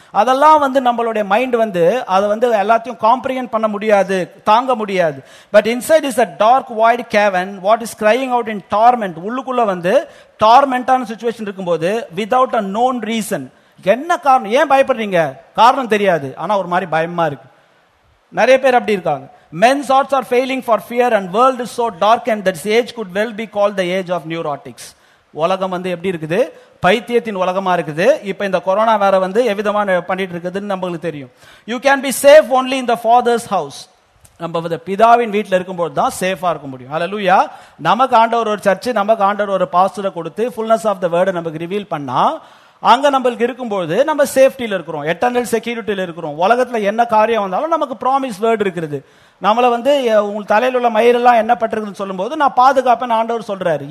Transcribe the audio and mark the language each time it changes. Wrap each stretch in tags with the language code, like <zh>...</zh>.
<ta>அதெல்லாம் வந்து நம்மளுடைய மைண்ட் வந்து அதை வந்து எல்லாத்தையும் காம்ப்ரிஹெண்ட் பண்ண முடியாது, தாங்க முடியாது.</ta> <en>But inside is a dark void cavern what is crying out in torment.</en> <ta>உள்ளுக்குள்ள வந்து டார்மெண்டான சுச்சுவேஷன் இருக்கும்போது</ta> <en>without a known reason,</en> <ta>என்ன காரணம், ஏன் பயப்படுறீங்க, காரணம் தெரியாது ஆனா ஒரு மாதிரி பயமா இருக்கு. நிறைய பேர் அப்படி இருக்காங்க.</ta> <en>Men's hearts are failing for fear and world is so dark and this age could well be called the age of neurotics.</en> <ta>உலகம் வந்து எப்படி இருக்குது, பைத்தியத்தின் உலகமா இருக்குது. இப்ப இந்த கொரோனா வேற வந்து எவ்விதமான பண்ணிட்டு இருக்குதுன்னு நமக்கு தெரியும்.</ta> <en>You can be safe only in the father's house.</en> <ta>நம்ம பிதாவின் வீட்டில் இருக்கும்போது தான் சேஃபா இருக்க முடியும். ஹல்லேலூயா. நமக்கு ஆண்டவர் ஒரு சர்ச், நமக்கு ஆண்டவர் ஒரு பாஸ்டரை கொடுத்து</ta> <en>fullness of the word</en> <ta>நமக்கு ரிவீல் பண்ணா அங்க நம்மளுக்கு இருக்கும்போது நம்ம சேஃப்டியில் இருக்கிறோம், எட்டர்னல் செக்யூரிட்டியில் இருக்கிறோம். உலகத்துல என்ன காரியம் வந்தாலும் நமக்கு ப்ராமிஸ் வேர்டு இருக்கிறது. நம்மளை வந்து உங்களுக்கு தலையில் உள்ள மயிரெல்லாம் என்ன பட்டிருக்குன்னு சொல்லும் நான் பாதுகாப்பேன்னு ஆண்டவர் சொல்றாரு.</ta>